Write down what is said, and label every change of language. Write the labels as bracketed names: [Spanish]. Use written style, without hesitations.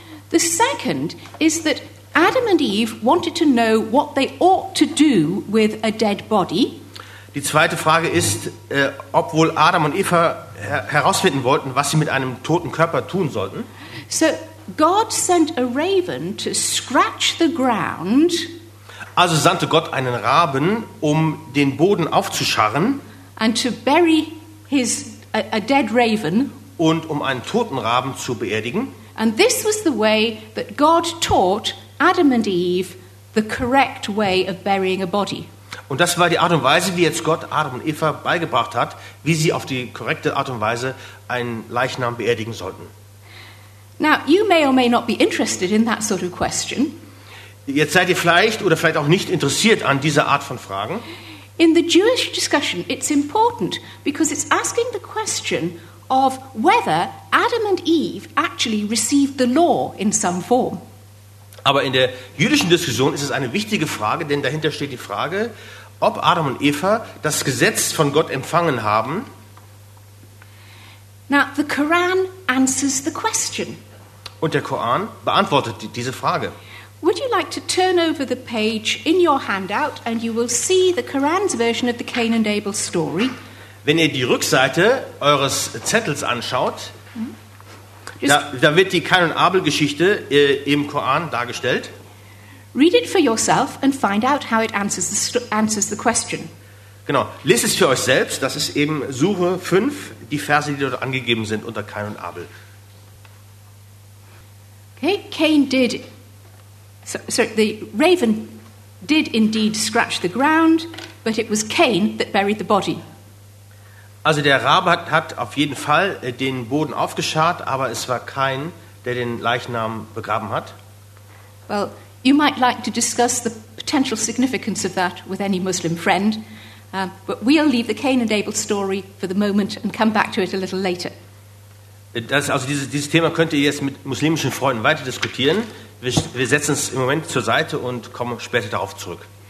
[English] The second is that Adam and Eve wanted to know what they ought to do with a dead body. [German] Die zweite Frage ist, ob wohl Adam und Eva herausfinden wollten, was sie mit einem toten Körper tun sollten. [English] So God sent a raven to scratch the ground. [German] Also sandte Gott einen Raben, um den Boden aufzuscharren. [English] And to bury his a dead raven. [German] Und um einen toten Raben zu beerdigen. [English] And this was the way that God taught Adam and Eve the correct way of burying a body. [German] Und das war die Art und Weise, wie jetzt Gott Adam und Eva beigebracht hat, wie sie auf die korrekte Art und Weise einen Leichnam beerdigen sollten. [English] Now, you may or may not be interested in that sort of question. [German] Jetzt seid ihr vielleicht oder vielleicht auch nicht interessiert an dieser Art von Fragen. [English] In the Jewish discussion, it's important because it's asking the question of whether Adam and Eve actually received the law in some form. [German] Aber in der jüdischen Diskussion ist es eine wichtige Frage, denn dahinter steht die Frage, ob Adam und Eva das Gesetz von Gott empfangen haben. [English] Now, the Quran answers the question. [German] Und der Koran beantwortet diese Frage. [English] Would you like to turn over the page in your handout and you will see the Quran's version of the Cain and Abel story? [German] Wenn ihr die Rückseite eures Zettels anschaut, Da wird die Kain und Abel Geschichte im Koran dargestellt. [English] Read it for yourself and find out how it answers the question. [German] Genau, lest es für euch selbst, das ist eben Sure 5, die Verse, die dort angegeben sind unter Kain und Abel. [English] Okay, the raven did indeed scratch the ground, but it was Cain that buried the body. [German] Also der Rabe hat auf jeden Fall den Boden aufgescharrt, aber es war Cain, der den Leichnam begraben hat. [English] Well, you might like to discuss the potential significance of that with any Muslim friend, but we'll leave the Cain and Abel story for the moment and come back to it a little later. [German] Dieses Thema könnt ihr jetzt mit muslimischen Freunden weiter diskutieren. Wir setzen es im Moment zur Seite und kommen später darauf zurück.